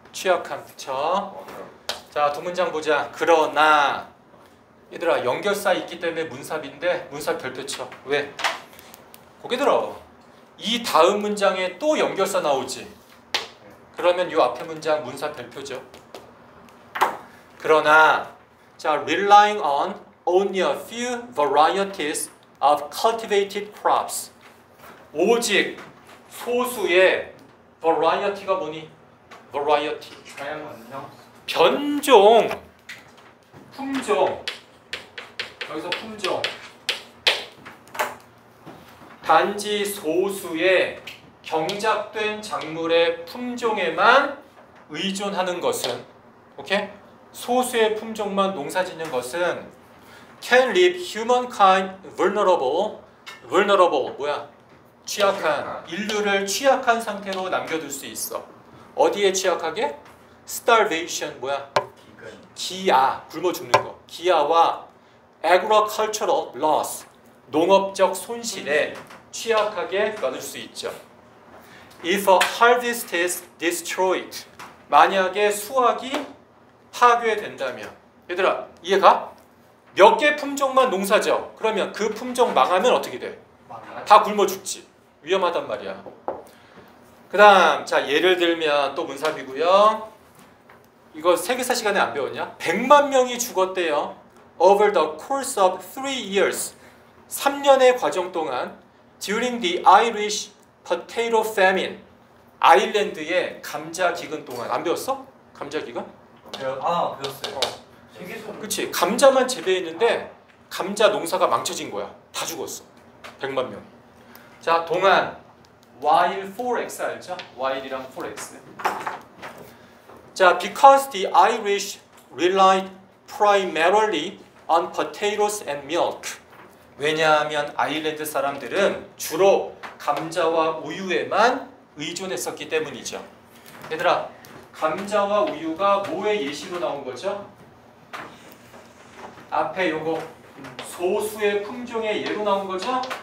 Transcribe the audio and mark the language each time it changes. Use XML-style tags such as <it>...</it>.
<ko>취약한. 그쵸? 자, 동문장 보자. 그러나 얘들아, 연결사 있기 때문에 문삽인데 문삽 별표 쳐. 왜? 고개 들어. 이 다음 문장에 또 연결사 나오지. 그러면 요 앞에 문장 문삽 별표죠. 그러나 자,</ko> <en>relying on only a few varieties of cultivated crops.</en> <ko>오직 소수의 variety가 뭐니? variety. 변종. 품종. 여기서 품종. 단지 소수의 경작된 작물의 품종에만 의존하는 것은, 오케이? 소수의 품종만 농사 짓는 것은</ko> <en>can leave humankind vulnerable</en> <ko>뭐야? 취약한. 인류를 취약한 상태로 남겨둘 수 있어. 어디에 취약하게? starvation 뭐야? 기아, 굶어 죽는 거. 기아와 agricultural loss, 농업적 손실에 취약하게 만들 수 있죠.</ko> <en>If a harvest is destroyed,</en> <ko>만약에 수확이 파괴된다면. 얘들아, 이해가? 몇 개 품종만 농사죠? 그러면 그 품종 망하면 어떻게 돼? 다 굶어 죽지. 위험하단 말이야. 그 다음, 자, 예를 들면 또 문삽이고요. 이거 세계사 시간에 안 배웠냐? 100만 명이 죽었대요.</ko> <en>Over the course of 3 years,</en> <ko>3년의 과정 동안,</ko> <en>during the Irish potato famine,</en> <ko>아일랜드의 감자 기근 동안. 안 배웠어? 감자 기근? 아, 배웠어요. 세계사. 그치. 감자만 재배했는데 감자 농사가 망쳐진 거야. 다 죽었어. 100만 명. 자, 동안 while forex 알죠?</ko> <en>while이랑 forex. 자, because the Irish relied primarily on potatoes and milk.</en> <ko>왜냐하면 아일랜드 사람들은 주로 감자와 우유에만 의존했었기 때문이죠. 얘들아, 감자와 우유가 뭐의 예시로 나온 거죠? 앞에 요거 소수의 품종의 예로 나온 거죠?</ko>